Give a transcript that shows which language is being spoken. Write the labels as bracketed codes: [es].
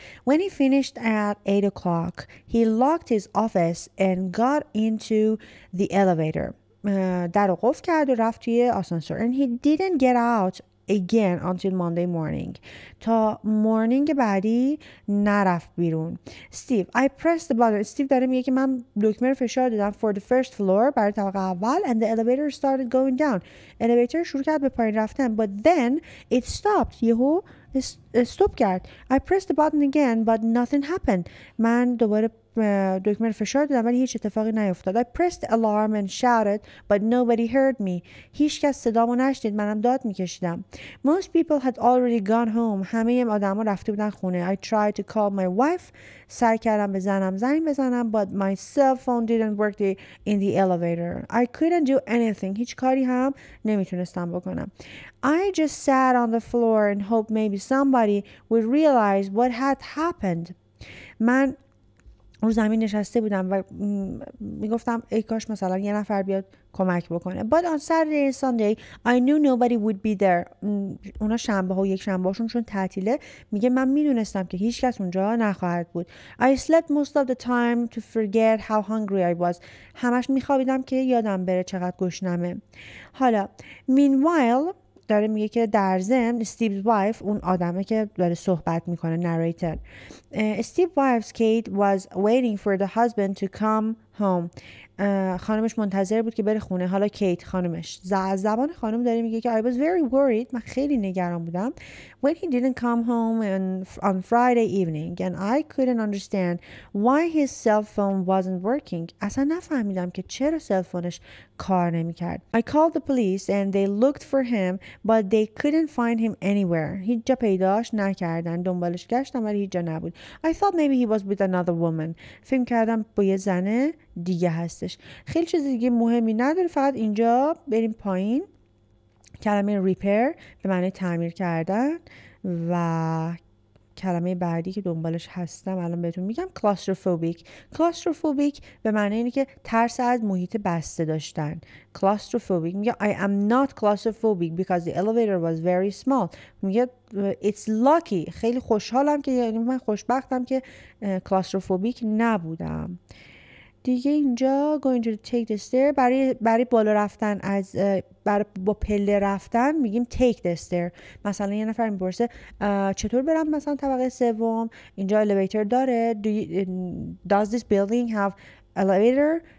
[en] When he finished at 8 o'clock, he locked his office and got into the elevator. [fa] در رو قفل کرد و رفت توی آسانسور. [en] And he didn't get out again until Monday morning. [fa] تا مورنینگ بعدی نرفت بیرون. [en] Steve, I pressed the button. Steve [fa] داره میگه که من دکمه رو فشار دادم [en] for the first floor [fa] برای طبقه اول [en] and the elevator started going down. [fa] Elevator شروع کرد به پایین رفتن [en] but then it stopped. [fa] یهو استوب کرد. [en] I pressed the button again but nothing happened. [fa] من دوباره دکمه رو فشار دادم ولی هیچ اتفاقی نیفتاد. [en] I pressed the alarm and shouted but nobody heard me. [fa] هیچ کس صدامو نشنید. منم داد میکشیدم. [en] Most people had already gone home. [fa] همه آدم ها رفته بودن خونه. [en] I tried to call my wife. [fa] سعی کردم به زنم زنگ بزنم [en] but my cell phone didn't work in the elevator. I couldn't do anything. [fa] هیچ کاری هم نمیتونستم بکنم. [en] I just sat on the floor and hoped maybe somebody would realize what had happened. [fa] من رو زمین نشسته بودم و میگفتم ای کاش مثلا یه نفر بیاد کمک بکنه. [en] But on Saturday and Sunday I knew nobody would be there. [fa] اونا شنبه ها و یک شنبه هاشونشون تعطیله. میگه من میدونستم که هیچ کس اونجا نخواهد بود. [en] I slept most of the time to forget how hungry I was. [fa] همش میخوابیدم که یادم بره چقدر گشنمه. حالا meanwhile داره میگه که در ضمن استیوز وایف اون آدمه که داره صحبت میکنه نریتر. [en] Steve wife's Kate was waiting for the husband to come home. [fa] خانمش منتظر بود که بره خونه. حالا کیت خانمش زبان خانم داره میگه که [en] I was very worried. [fa] من خیلی نگران بودم. [en] When he didn't come home on Friday evening and I couldn't understand why his cell phone wasn't working. [fa] اصلا نفهمیدم که چرا سل فونش کار نمیکرد. [en] I called the police and they looked for him but they couldn't find him anywhere. [fa] هیچ جا پیداش نکردن. دنبالش گشتم ولی هیچ جا نبود. [en] I thought maybe he was with another woman. [fa] فکر کردم با یه زنه دیگه هستش. خیلی چیز دیگه مهمی نداره. فقط اینجا بریم پایین. کلمه repair به معنی تعمیر کردن و کلمه بعدی که دنبالش هستم الان بهتون میگم claustrophobic. Claustrophobic به معنی اینه که ترس از محیط بسته داشتن. [en] Claustrophobic میگه I am not claustrophobic because the elevator was very small. میگه it's lucky. [fa] خیلی خوشحالم که یعنی من خوشبختم که claustrophobic نبودم. دیگه اینجا [en] going to take the stair [fa] برای بالا رفتن از برای با پله رفتن میگیم [en] take the stair. [fa] مثلا یه نفر میپرسه چطور برم مثلا طبقه سوم؟ اینجا elevator داره؟ [en] Does this building have elevator?